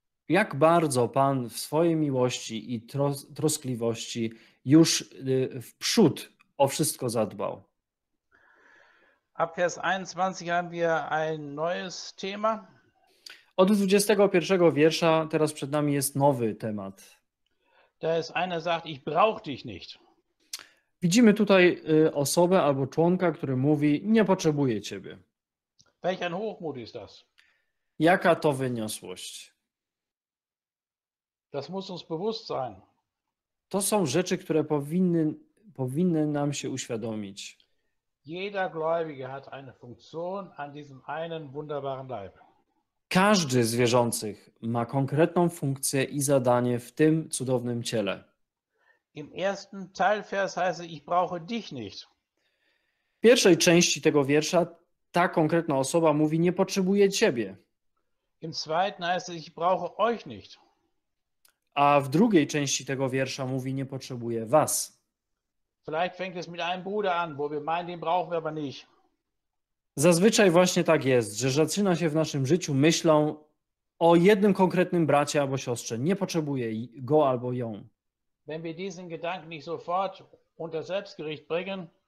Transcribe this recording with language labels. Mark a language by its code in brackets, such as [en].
[pl] Jak bardzo Pan w swojej miłości i troskliwości już w przód o wszystko zadbał. [de] Ab Vers 21 haben wir ein neues Thema. [pl] Od 21 wiersza teraz przed nami jest nowy temat. [de] Da ist einer sagt, ich brauche dich nicht. [pl] Widzimy tutaj osobę albo członka, który mówi, nie potrzebuję ciebie. [de] Welch ein Hochmut ist das? [pl] Jaka to wyniosłość? [de] Das muss uns bewusst sein. [pl] To są rzeczy, które powinny nam się uświadomić. [de] Jeder Gläubige hat eine Funktion an diesem einen wunderbaren Leib. [pl] Każdy z wierzących ma konkretną funkcję i zadanie w tym cudownym ciele. [de] Im ersten Teilvers heißt es, ich brauche dich nicht. [pl] W pierwszej części tego wiersza ta konkretna osoba mówi, nie potrzebuje ciebie. [de] Im zweiten heißt es, ich brauche euch nicht. [pl] A w drugiej części tego wiersza mówi, nie potrzebuje was. [de] Vielleicht fängt es mit einem Bruder an, wo wir meinen, den brauchen wir aber nicht. [pl] Zazwyczaj właśnie tak jest, że zaczyna się w naszym życiu myślą o jednym konkretnym bracie albo siostrze. Nie potrzebuje go albo ją. [de] Wenn wir diesen Gedanken nicht sofort unter Selbstgericht bringen,